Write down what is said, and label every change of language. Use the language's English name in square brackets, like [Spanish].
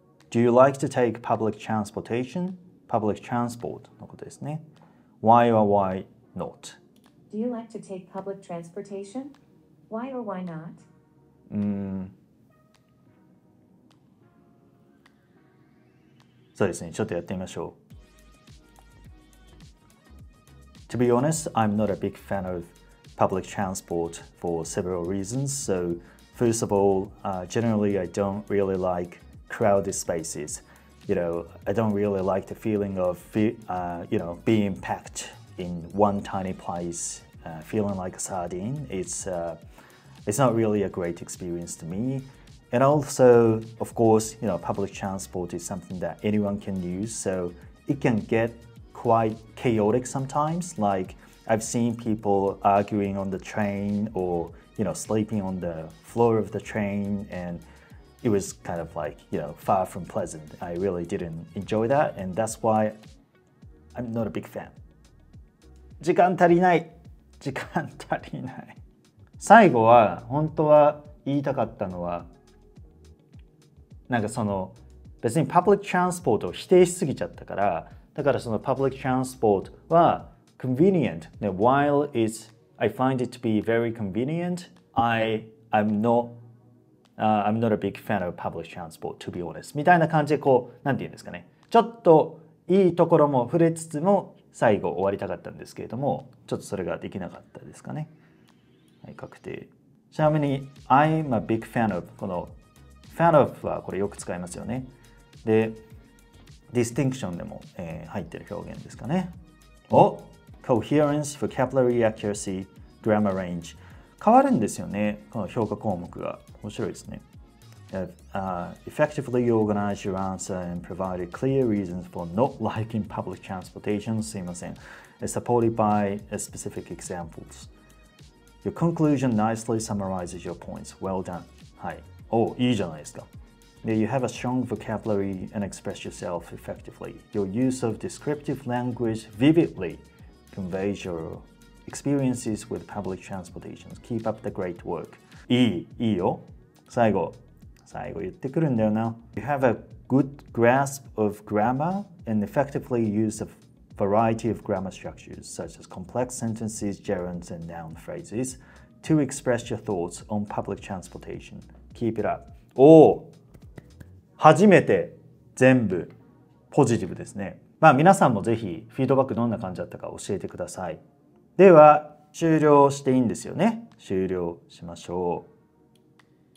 [English] Do you like to take public transportation? Public transport [Japanese] のことですね。 [English] Why or why not? Do you like to take public transportation? Why or why not? [Japanese] そうですね。ちょっとやってみましょう。 [English] To be honest, I'm not a big fan of public transport for several reasons. So, first of all, generally, I don't really like crowded spaces. You know, I don't really like the feeling of, you know, being packed in one tiny place, feeling like a sardine. It's not really a great experience to me. And also, of course, you know, public transport is something that anyone can use. So it can get quite chaotic sometimes. Like I've seen people arguing on the train or, you know, sleeping on the floor of the train andIt was kind of like, you know, far from pleasant. I really didn't enjoy that, and that's why I'm not a big fan. [Japanese] 時間足りない。時間足りない。最後は、本当は言いたかったのは、なんかその、別にパブリックトランスポートを否定しすぎちゃったから、だからそのパブリックトランスポートは convenient. [English] Now, while it's, I find it to be very convenient, I'm not a big fan of public transport, to be honest. [Japanese] みたいな感じでこう、なんて言うんですかね。ちょっといいところも触れつつも最後終わりたかったんですけれども、ちょっとそれができなかったですかね。はい、確定。ちなみに、 [English] I'm a big fan of, [Japanese] この fan of はこれよく使いますよね。で、distinction でも、入ってる表現ですかね。 [English] お、coherence, vocabulary accuracy, grammar range。 [Japanese] 変わるんですよね、この評価項目が。面白いですね。 [English] Effectively organize your answer and provide clear reasons for not liking public transportation. [Japanese] すいません。 [English] Supported by specific examples. Your conclusion nicely summarizes your points. Well done. [Japanese] はい。おお、いいじゃないですか。 [English] Now, you have a strong vocabulary and express yourself effectively. Your use of descriptive language vividly conveys your experiences with public transportation. Keep up the great work. [Japanese] いいよ。最後言ってくるんだよな。 [English] You have a good grasp of grammar and effectively use a variety of grammar structures such as complex sentences, gerunds and noun phrases to express your thoughts on public transportation. Keep it up. [Japanese] おお、初めて全部ポジティブですね。まあ皆さんもぜひフィードバックどんな感じだったか教えてください。では終了していいんですよね。終了しましょう。